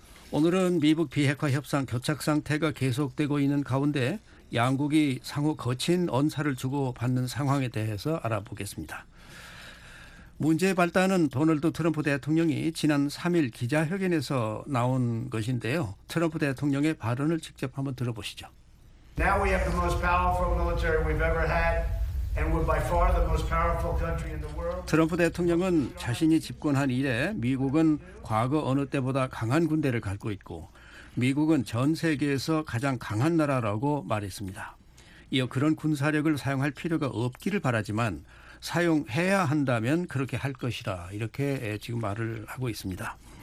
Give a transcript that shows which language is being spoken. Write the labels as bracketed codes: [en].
[ko] 오늘은 미북 비핵화 협상 교착 상태가 계속되고 있는 가운데 양국이 상호 거친 언사를 주고받는 상황에 대해서 알아보겠습니다. 문제의 발단은 도널드 트럼프 대통령이 지난 3일 기자회견에서 나온 것인데요. 트럼프 대통령의 발언을 직접 한번 들어보시죠. [en] Now we have the most powerful military we've ever had. And we're by far the most powerful country in the world. [ko] 트럼프 대통령은 자신이 집권한 이래 미국은 과거 어느 때보다 강한 군대를 갖고 있고 미국은 전 세계에서 가장 강한 나라라고 말했습니다. 이어 그런 군사력을 사용할 필요가 없기를 바라지만 사용해야 한다면 그렇게 할 것이라 이렇게 지금 말을 하고 있습니다.